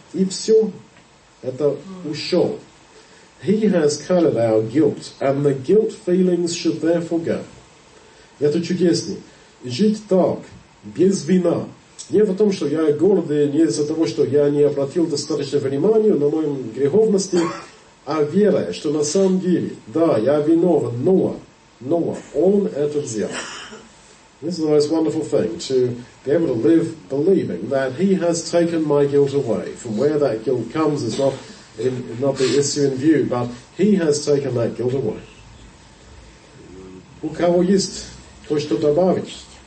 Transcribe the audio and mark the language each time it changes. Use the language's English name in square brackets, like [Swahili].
[Russian] И все это ушел. [English] He has carried our guilt, and the guilt feelings should therefore go. [Russian] И это чудесно. Жить так, без вина. Не в том, что я гордый, не из-за того, что я не обратил достаточно внимания на мою греховность, а вера, что на самом деле, да, я виновен, но он это взял. [English] This is the most wonderful thing, to be able to live believing that he has taken my guilt away. From where that guilt comes is not the issue in view, but he has taken that guilt away. [Russian] У кого есть то, что добавить?